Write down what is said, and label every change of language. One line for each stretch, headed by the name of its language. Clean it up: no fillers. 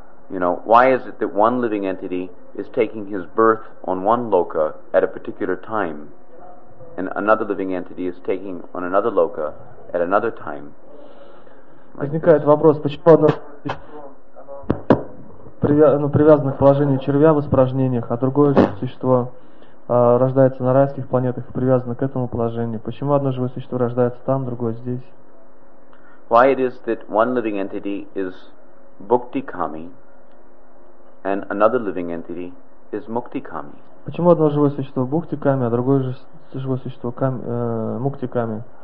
English: You know, why is it that one living entity is taking his birth on one loka at a particular time and another living entity is taking on another loka at another time?
Russian: Возникает вопрос, почему одно существо привязано к положению червя в испражнениях, а другое существо рождается на райских планетах и привязано к этому положению? Почему одно живое существо рождается там, другое здесь?
English: Why it is that one living entity is bhukti kami and another living entity is mukti kami?
Russian: Почему одно живое существо bhukti kami, а другое живое существо mukti kami?